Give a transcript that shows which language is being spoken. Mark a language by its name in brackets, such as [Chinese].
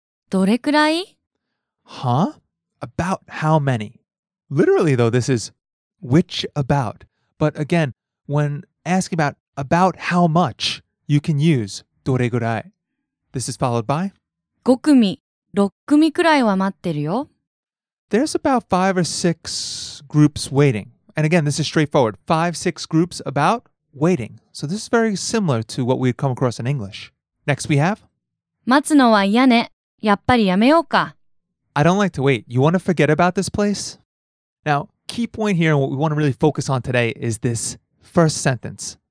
[Japanese] どれくらい? [English] Huh? About how many? Literally, though, this is which about. But again, when asking about how much, you can use [Japanese] どれくらい。 [English] This is followed by? [Japanese] 5組、6組くらいは待ってるよ。 [English] There's about 5 or 6 groups waiting. And again, this is straightforward. 5, 6 groups about waiting. So this is very similar to what we've come across in English. Next we have? [Japanese] 待つのは嫌ね。やっぱりやめようか。 [English] I don't like to wait. You want to forget about this place? Now, key point here, and what we want to really focus on today, is this first sentence.